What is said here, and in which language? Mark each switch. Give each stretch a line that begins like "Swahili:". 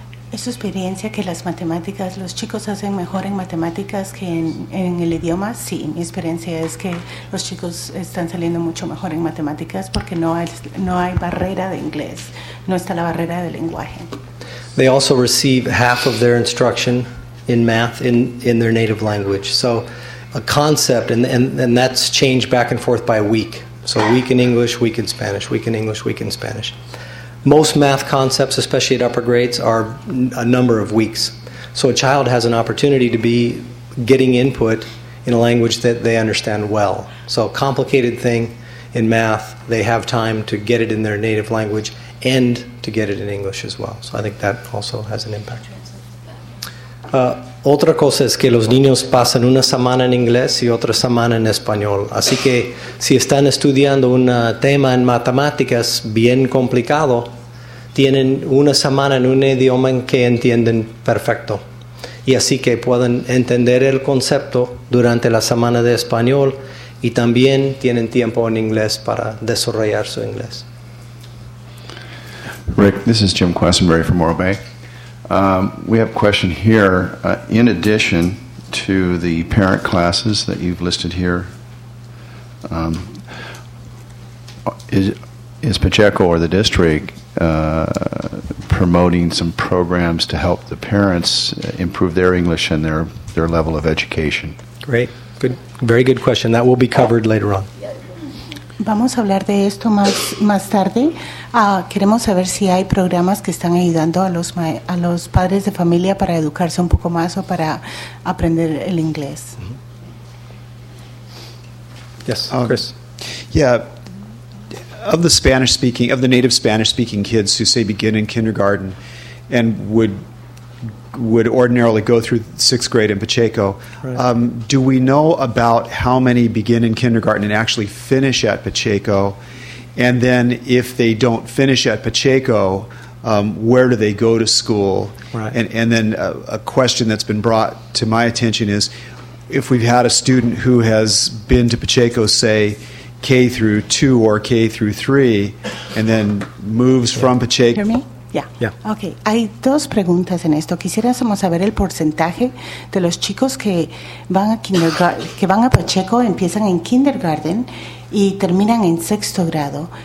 Spanish: Es su experiencia que las matemáticas, los chicos hacen mejor en matemáticas que en el idioma. Sí, mi experiencia es que los chicos están saliendo mucho mejor en matemáticas porque no hay barrera de inglés, no está la barrera del lenguaje.
English: They also receive half of their instruction in math in their native language. So a concept, and that's changed back and forth by a week. So week in English, week in Spanish, week in English, week in Spanish. Most math concepts, especially at upper grades, are a number of weeks. So a child has an opportunity to be getting input in a language that they understand well. So a complicated thing in math, they have time to get it in their native language and to get it in English as well. So I think that also has an impact.
Spanish: Otra cosa es que los niños pasan una semana en inglés y otra semana en español. Así que si están estudiando un tema en matemáticas bien complicado, tienen una semana en un idioma en que entienden perfecto. Y así que pueden entender el concepto durante la semana de español y también tienen tiempo en inglés para desarrollar su inglés.
English: Rick, this is Jim Questenberry from Morro Bay. We have a question here. In addition to the parent classes that you've listed here, is Pacheco or the district promoting some programs to help the parents improve their English and their level of education? Great. Good. Very good question. That will be covered later on.
Spanish: Vamos a hablar de esto más tarde. Queremos saber si hay programas que están ayudando a los padres de familia para educarse un poco más o para aprender el inglés.
English: Yes, Chris. Yeah, of the Spanish speaking, of the native Spanish speaking kids who say begin in kindergarten and would ordinarily go through sixth grade in Pacheco. Right. Do we know about how many begin in kindergarten and actually finish at Pacheco? And then if they don't finish at Pacheco, where do they go to school? Right. And then a question that's been brought to my attention is, if we've had a student who has been to Pacheco, say, K through 2 or K through 3, and then moves from Pacheco... Hear me? Yeah. Okay.
Spanish: Hay dos preguntas en esto. Quisiéramos saber el porcentaje de los chicos que van a Pacheco, empiezan en kindergarten y terminan en sexto grado.